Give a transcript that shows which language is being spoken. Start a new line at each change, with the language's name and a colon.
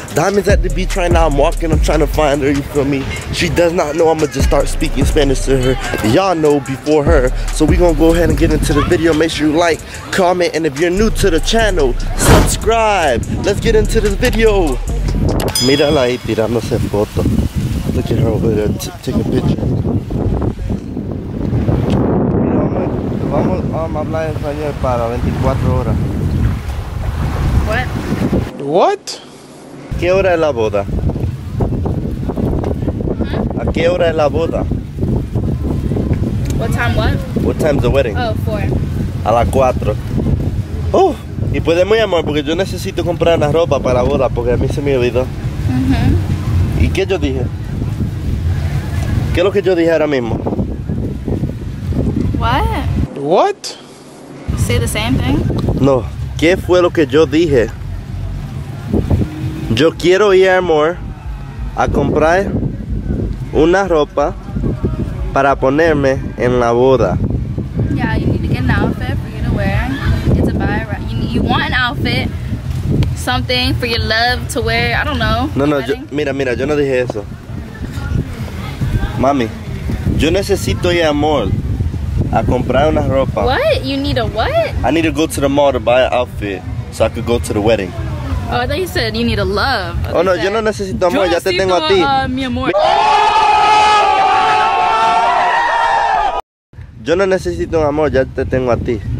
English: Diamond's at the beach right now. I'm walking. I'm trying to find her. You feel me? She does not know I'm going to just start speaking Spanish to her. Y'all know before her. So we're going to go ahead and get into the video. Make sure you like, comment, and if you're new to the channel, subscribe. Let's get into this video.
Spanish: Mírala ahí tirándose foto.
English: Look at her over there. Take a picture.
Spanish: Vamos a hablar español para 24 horas.
English: What?
Spanish: ¿Qué hora es la boda? ¿A qué hora es la boda?
English: What time what? What time is the wedding? Oh, 4.
Spanish: A las 4. Oh, y podemos llamar porque yo necesito comprar la ropa para la boda porque a mí se me olvidó. ¿Y qué yo dije? ¿Qué es lo que yo dije ahora mismo?
English: What? Say the same thing?
Spanish: No. ¿Qué fue lo que yo dije? Yo quiero ir a Amor a comprar una ropa para ponerme en la boda.
English: Yeah, you need to get an outfit for you to wear. You need to buy it. You want an outfit, something for your love to wear. I don't know.
Spanish: No, yo, mira, yo no dije eso. Mami, yo necesito ir a Amor. A comprar una ropa.
English: What? You need a what? I need to go to the mall to buy an outfit so I could go to the wedding. Oh, I thought you said you need a love.
Spanish: Oh, no, yo no necesito amor, ya te tengo a ti. Mi amor. Yo no necesito amor, ya te tengo a ti.